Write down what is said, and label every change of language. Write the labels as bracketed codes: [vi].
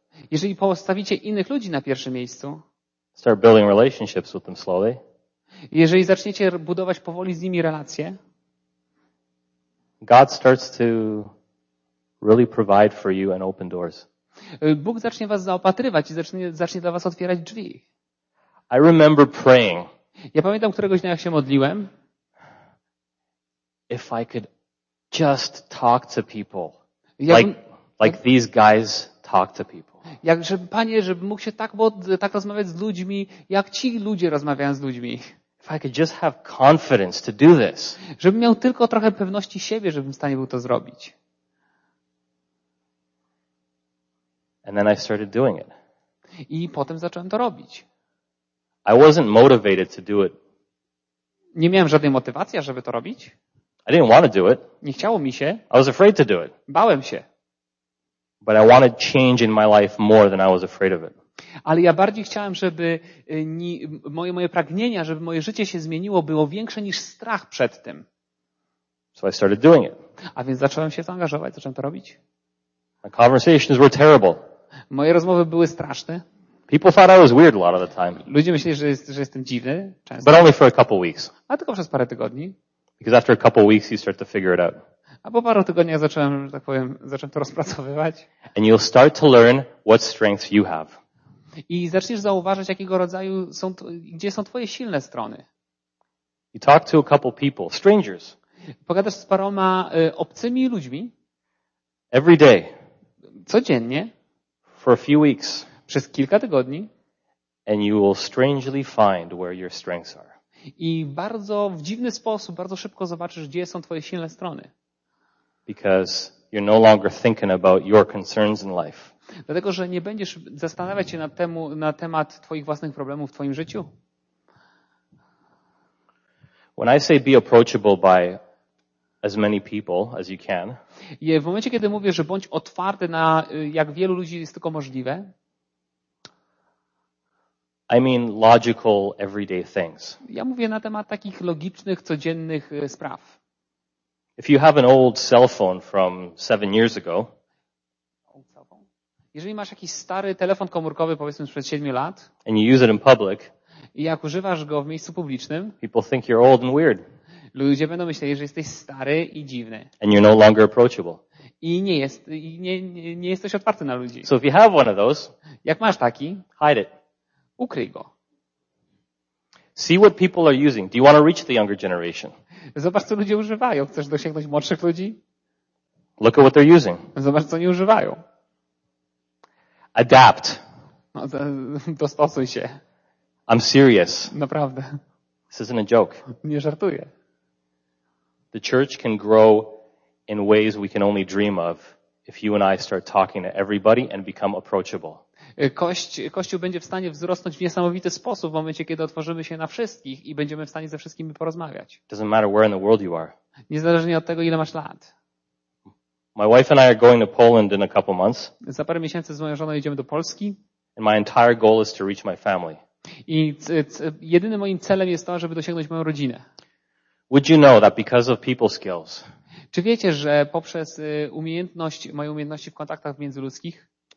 [pl] Jeżeli postawicie innych ludzi na pierwszym miejscu, [en] start building relationships with them slowly. [pl] Jeżeli zaczniecie budować powoli z nimi relacje, [en] God starts to really provide for you and open doors. [pl] Bóg zacznie was zaopatrywać i zacznie dla was otwierać drzwi. [en] I remember praying. [pl] Ja pamiętam, któregoś dnia, jak się modliłem. [en] If I could just talk to people, like these guys talk to people. [pl] Żebym mógł się tak rozmawiać z ludźmi, jak ci ludzie rozmawiają z ludźmi. [en] If I could just have confidence to do this. [pl] Żebym miał tylko trochę pewności siebie, żebym w stanie był to zrobić. [en] And then I started doing it. [pl] I potem zacząłem to robić. [en] I wasn't motivated to do it. [pl] Nie miałem żadnej motywacji, żeby to robić. [en] I didn't want to do it. [pl] Nie chciało mi się. [en] I was afraid to do it. [pl] Bałem się. [en] But I wanted change in my life more than I was afraid of it. [pl] Ale ja bardziej chciałem, żeby moje pragnienia, żeby moje życie się zmieniło, było większe niż strach przed tym. [en] So I started doing it. [pl] A więc zacząłem się zaangażować, zacząłem to robić. [en] My conversations were terrible. [pl] Moje rozmowy były straszne. [en] People thought I was weird a lot of the time. [pl] Ludzie myśleli, że jestem dziwny, często. [en] But only for a couple weeks. [pl] A tylko przez parę tygodni. [en] Because after a couple weeks you start to figure it out. [pl] A po paru tygodniach zacząłem to rozpracowywać. [en] And you'll start to learn what strengths you have. [pl] I zaczniesz zauważać, jakiego rodzaju gdzie są twoje silne strony. [en] You talk to a couple people, strangers. [pl] Pogadasz z paroma obcymi ludźmi. [en] Every day. [pl] Codziennie. [en] For a few weeks. [pl] Przez kilka tygodni. [en] And you will strangely find where your strengths are. [pl] I bardzo w dziwny sposób, bardzo szybko zobaczysz, gdzie są twoje silne strony. [en] Because you're no longer thinking about your concerns in life. [pl] Dlatego, że nie będziesz zastanawiać się na temat twoich własnych problemów w twoim życiu. [en] When I say be approachable by as many people as you can. [pl] I w momencie, kiedy mówię, że bądź otwarty na jak wielu ludzi jest tylko możliwe. [en] I mean logical everyday things. [pl] Ja mówię na temat takich logicznych, codziennych spraw. [en] If you have an old cell phone from 7 years ago. [pl] Jeżeli masz jakiś stary telefon komórkowy, powiedzmy sprzed 7 lat, [en] and you use it in public, [pl] i jak używasz go w miejscu publicznym, [en] people think you're old and weird. [pl] Ludzie będą myśleli, że jesteś stary i dziwny. [en] And you're no longer approachable. [pl] I nie jesteś otwarty na ludzi. [en] So if you have one of those, [pl] jak masz taki, [en] hide it. [pl] Ukryj go. [en] See what people are using. Do you want to reach the younger generation? [pl] Zobacz, co ludzie używają. Chcesz dosięgnąć młodszych ludzi? [en] Look at what they're using. [pl] Zobacz, co oni używają. [en] Adapt. [pl] No, dostosuj się. [en] I'm serious. [pl] Naprawdę. [en] This isn't a joke. [pl] Nie żartuję. [en] The church can grow in ways we can only dream of if you and I start talking to everybody and become approachable. [pl] Kościół będzie w stanie wzrosnąć w niesamowity sposób w momencie, kiedy otworzymy się na wszystkich i będziemy w stanie ze wszystkimi porozmawiać. [en] Doesn't matter where in the world you are. [pl] Niezależnie od tego, ile masz lat. [en] My wife and I are going to Poland in a couple months. [pl] Za parę miesięcy z moją żoną jedziemy do Polski. [en] And my entire goal is to reach my family. [pl] I jedynym moim celem jest to, żeby dosięgnąć moją rodzinę. [en] Would you know that because of people skills? [pl] Czy wiecie, że poprzez umiejętność, moje umiejętności w kontaktach międzyludzkich?